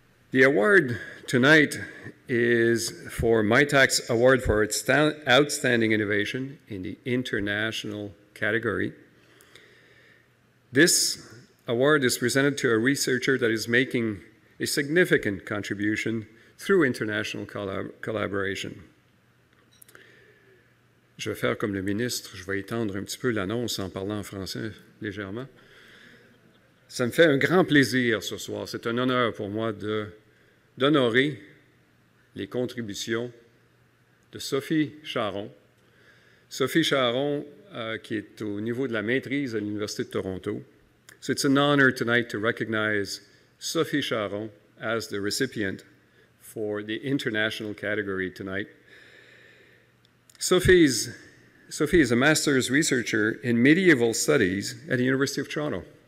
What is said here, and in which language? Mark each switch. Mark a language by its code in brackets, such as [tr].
[en] The award tonight is for MITACS Award for its Outstanding Innovation in the International category. This award is presented to a researcher that is making a significant contribution through international collaboration. [fr] Je vais faire comme le ministre, je vais étendre un petit peu l'annonce en parlant français légèrement. Ça me fait un grand plaisir ce soir, c'est un honneur pour moi d'honorer les contributions de Sophie Charron. Sophie Charron, qui est au niveau de la maîtrise à l'Université de Toronto. [en] So it's an honor tonight to recognize Sophie Charron as the recipient for the international category tonight. Sophie is a master's researcher in medieval studies at the University of Toronto.